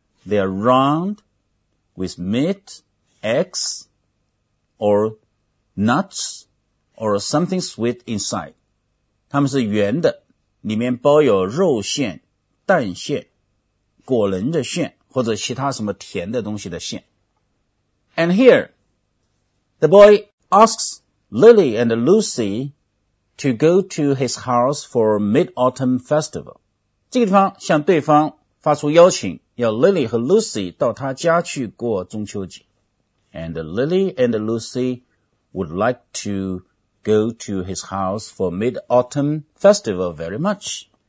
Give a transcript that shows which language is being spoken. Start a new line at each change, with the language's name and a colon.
English: They are round with meat, eggs, or nuts, or something sweet inside.
Chinese: 它们是圆的，里面包有肉馅、蛋馅、果仁的馅，或者其他什么甜的东西的馅。
English: And here, the boy asks Lily and Lucy to go to his house for mid-autumn festival.
Chinese: 这个地方向对方发出邀请。要 Lily 和 Lucy 到他家去过中秋节。
English: And Lily and Lucy would like to go to his house for mid-autumn festival very much.